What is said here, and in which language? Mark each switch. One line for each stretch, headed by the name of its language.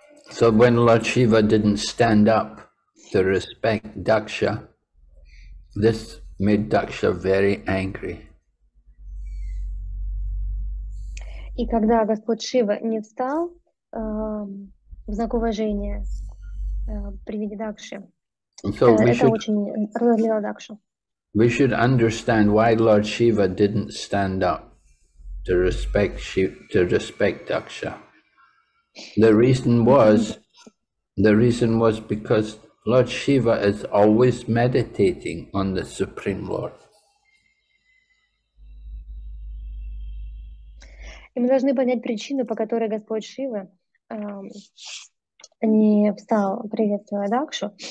English: So when Lord Shiva didn't stand up to respect Daksha, this made Daksha very angry.
Russian: И когда Господь Шива не встал в знак уважения при виде Дакши, so это очень разозлило Дакшу.
English: We should understand why Lord Shiva didn't stand up to respect Daksha. The reason was because Lord Shiva is always meditating on the Supreme Lord.
Russian: И мы должны понять причину, по которой Господь Шива не встал приветствуя Дакшу.